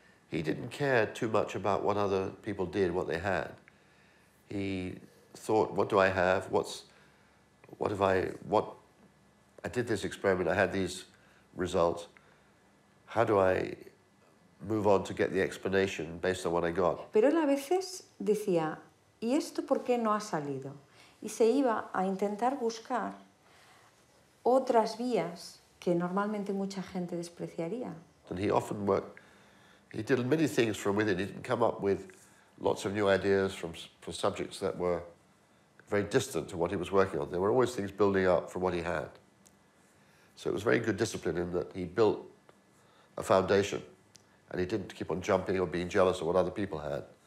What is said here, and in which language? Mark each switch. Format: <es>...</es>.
<en>He didn't care too much about what other people did, what they had. He thought, what do I have? I did this experiment, I had these results. How do I move on to get the explanation based on what I got?</en> <es>Pero él a veces decía, ¿y esto por qué no ha salido? Y se iba a intentar buscar otras vías que normalmente mucha gente despreciaría.</es> <en>And he often worked, he did many things from within, he didn't come up with lots of new ideas for subjects that were very distant to what he was working on. There were always things building up from what he had. So it was very good discipline in that he built a foundation and he didn't keep on jumping or being jealous of what other people had.</en>